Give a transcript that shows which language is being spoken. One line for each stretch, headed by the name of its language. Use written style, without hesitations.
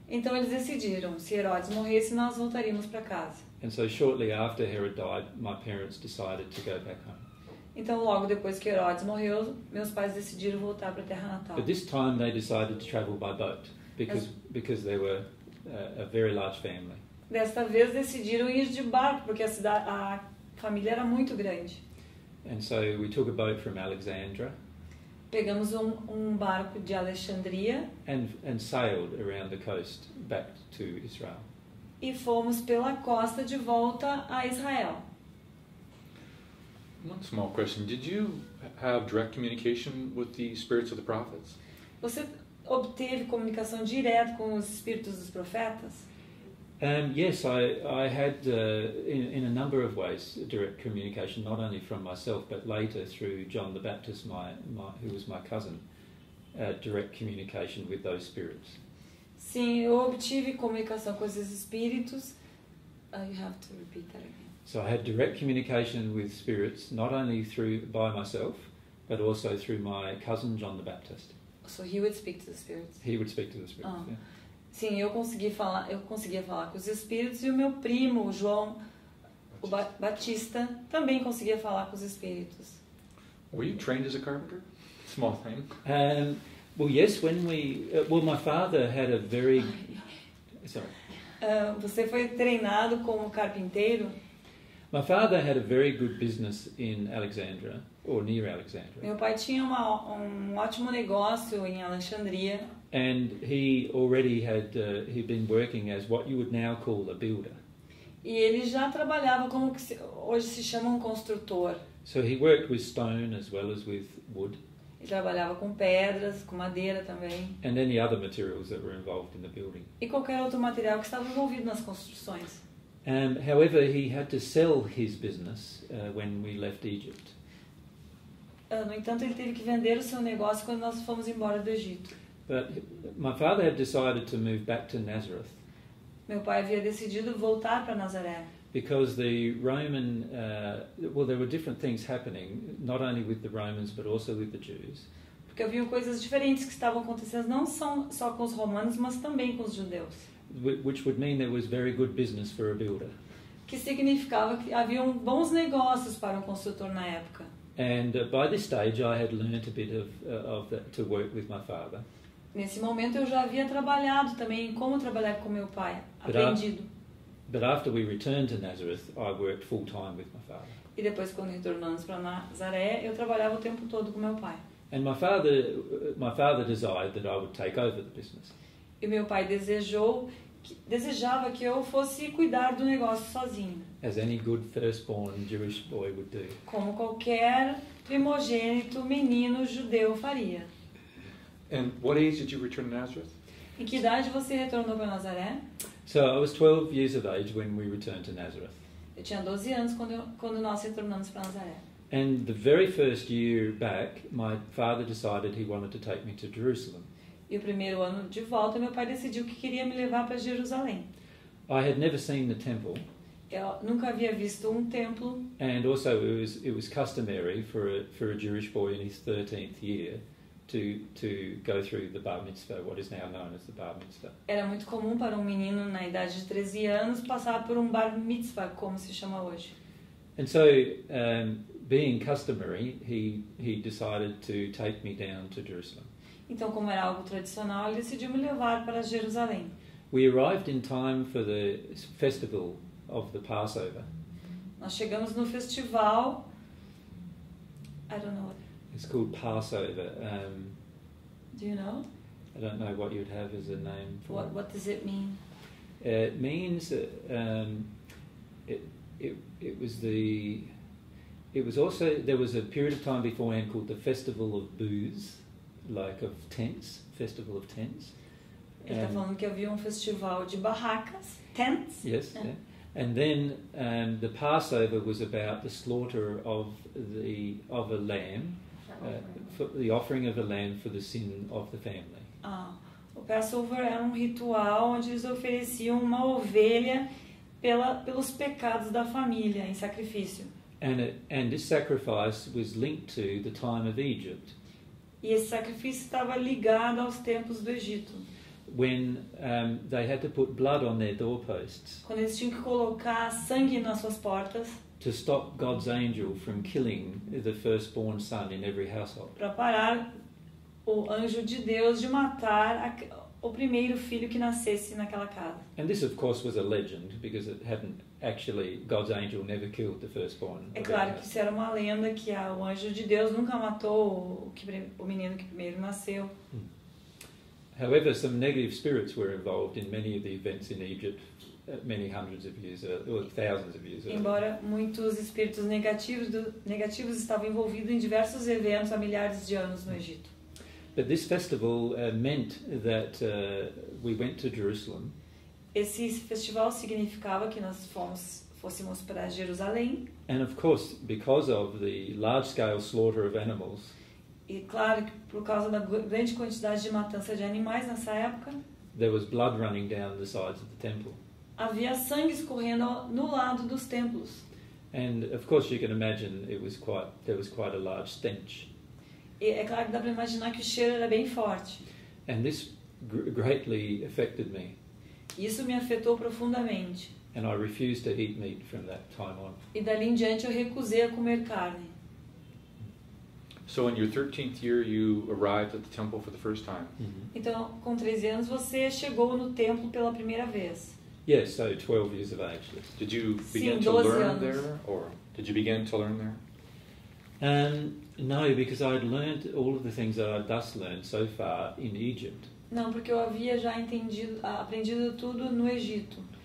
Portuguese: Então eles decidiram, se Herodes morresse, nós voltaríamos para casa.
English: And so shortly after Herod died, my parents decided to go back home.
Portuguese: Então, logo depois que Herodes morreu, meus pais decidiram voltar para a terra natal.
English: But this time they decided to travel by boat because they were a very large family.
Portuguese: Desta vez decidiram ir de barco porque a família era muito grande.
English: And so we took a boat from Alexandria.
Portuguese: Pegamos um barco de Alexandria.
English: And sailed around the coast back to Israel.
Portuguese: E fomos pela costa de volta a Israel.
English: One small question. Did you have direct communication with the spirits of the prophets?
Portuguese: Você obteve comunicação direta com os espíritos dos profetas?
English: Yes, I had in a number of ways direct communication, not only from myself, but later through John the Baptist, my who was my cousin, direct communication with those spirits.
Portuguese: Sim, eu obtive comunicação com esses espíritos.
English: You have to repeat that again. So I had direct communication with spirits, not only by myself, but also through my cousin John the Baptist. So he would speak to the spirits. He would speak to the spirits. Oh. Yeah.
Portuguese: Sim, eu conseguia falar com os espíritos, e o meu primo João Batista. Batista também conseguia falar com os espíritos.
English: Were you trained as a carpenter? Small thing. Well, yes. My father had a very. Sorry.
Portuguese: Você foi treinado como carpinteiro?
English: My father had a very good business in Alexandria, or near Alexandria.
Portuguese: Meu pai tinha um ótimo negócio em Alexandria.
English: And he already had he'd been working as what you would now call a builder.
Portuguese: E ele já trabalhava como que hoje se chama construtor.
English: So he worked with stone as well as with wood.
Portuguese: Ele trabalhava com pedras, com madeira também.
English: And any other materials that were involved in the building.
Portuguese: E qualquer outro material que estava envolvido nas construções.
English: However, he had to sell his business when we left Egypt.
Portuguese: No entanto, ele teve que vender o seu negócio quando nós fomos embora do Egito.
English: But my father had decided to move back to Nazareth.
Portuguese: Meu pai havia decidido voltar para Nazaré.
English: Because the Roman, there were different things happening, not only with the Romans, but also with the Jews.
Portuguese: Porque haviam coisas diferentes que estavam acontecendo, não só com os romanos, mas também com os judeus.
English: Which would mean there was very good business for a builder.
Portuguese: Que significava que havia bons negócios para construtor na época.
English: And by this stage, I had learned a bit to work with my father.
Portuguese: Nesse momento, eu já havia trabalhado também em como trabalhar com meu pai, aprendido.
English: But after we returned to Nazareth, I worked full time with my father.
Portuguese: E depois, quando retornamos para Nazaré, eu trabalhava o tempo todo com meu pai.
English: And my father desired that I would take over the business.
Portuguese: E meu pai desejava que eu fosse cuidar do negócio sozinho.
English: As any good firstborn Jewish boy would do.
Portuguese: Como qualquer primogênito menino judeu faria.
English: And what age did you return to Nazareth?
Portuguese: Em que idade você retornou para Nazaré?
English: So I was 12 years of age when we returned to Nazareth.
Portuguese: Eu tinha 12 anos quando nós retornamos para Nazaré.
English: And the very first year back, my father decided he wanted to take me to Jerusalem.
Portuguese: E o primeiro ano de volta, meu pai decidiu que queria me levar para Jerusalém.
English: I had never seen the temple.
Portuguese: Eu nunca havia visto um templo.
English: And also it was customary for a Jewish boy in his 13th year to go through the Bar Mitzvah, what is now known as the Bar Mitzvah.
Portuguese: Era muito comum para um menino na idade de 13 anos passar por um Bar Mitzvah, como se chama hoje.
English: And so, being customary, he decided to take me down to Jerusalem.
Portuguese: Então, como era algo tradicional, ele decidiu me levar para Jerusalém.
English: We arrived in time for the festival of the Passover.
Portuguese: Nós chegamos no festival.
English: I don't know what. It's called Passover. Do you know? I don't know what you'd have as a name for. What does it mean? It means there was a period of time beforehand called the Festival of Booze, like of tents, Festival of Tents.
Portuguese: Ele está falando que havia um festival de barracas, tents.
English: Yes, yeah. And then the Passover was about the slaughter of a lamb, for the offering of a lamb for the sin of the family.
Portuguese: Ah, o Passover era um ritual onde eles ofereciam uma ovelha pelos pecados da família em sacrifício.
English: And this sacrifice was linked to the time of Egypt.
Portuguese: E esse sacrifício estava ligado aos tempos do Egito.
English: When they had to put blood on their doorposts.
Portuguese: Quando eles tinham que colocar sangue nas suas portas.
English: To stop God's angel from killing the firstborn son in every household.
Portuguese: Para parar o anjo de Deus de matar o primeiro filho que nascesse naquela casa.
English: And this, of course, was a legend because it hadn't actually God's angel never killed the firstborn.
Portuguese: É claro que isso era uma lenda que o anjo de Deus nunca matou o menino que primeiro nasceu.
English: However, some negative spirits were involved in many of the events in Egypt many hundreds of years or thousands of years ago.
Portuguese: Embora muitos espíritos negativos estavam envolvidos em diversos eventos há milhares de anos no Egito.
English: But this festival meant that we went to Jerusalem.
Portuguese: Esse festival significava que nós fôssemos para Jerusalém.
English: And of course, because of the large-scale slaughter of animals.
Portuguese: E claro que por causa da grande quantidade de matança de animais nessa época.
English: There was blood running down the sides of the temple.
Portuguese: Havia sangue escorrendo no lado dos templos.
English: And of course you can imagine there was quite a large stench.
Portuguese: E é claro que dá para imaginar que o cheiro era bem forte.
English: And this greatly affected me.
Portuguese: Isso me afetou profundamente.
English: And I refused to eat meat from that time on.
Portuguese: E dali em diante eu recusei a comer carne.
English: So in your 13th year you arrived at the temple for the first time. Mm-hmm.
Portuguese: Então, com 13 anos você chegou no templo pela primeira vez.
English: Yes, so 12 years of age. Did you begin to learn there, or did you begin to learn there? No, because I'd learned all of the things that I'd thus learned so far in Egypt.
Portuguese: Não, porque eu havia já aprendido tudo no Egito.